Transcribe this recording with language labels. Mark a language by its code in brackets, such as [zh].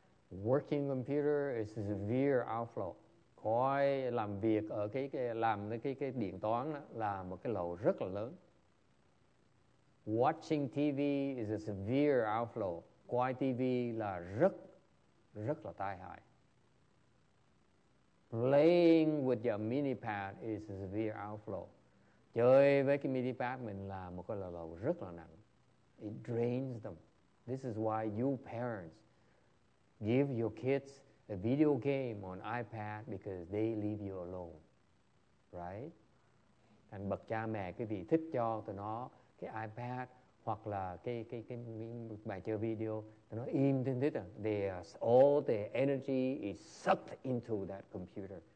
[en] Working computer is a severe outflow. [vi] Coi làm việc ở cái điện toán đó, là một cái lầu rất là lớn. [en] Watching TV is a severe outflow. [vi] Coi TV là rất rất là tai hại. [en] Playing with your mini pad is a severe outflow. [vi] Chơi với cái mini pad mình là một cái lầu rất là nặng. [en] It drains them. This is why you parents give your kids a video game on iPad because they leave you alone. Right? [vi] Thành bậc cha mẹ quý vị thích cho tụi nó cái iPad hoặc là cái bài chơi video, tụi nó im thin thít à. [en] All the energy is sucked into that computer.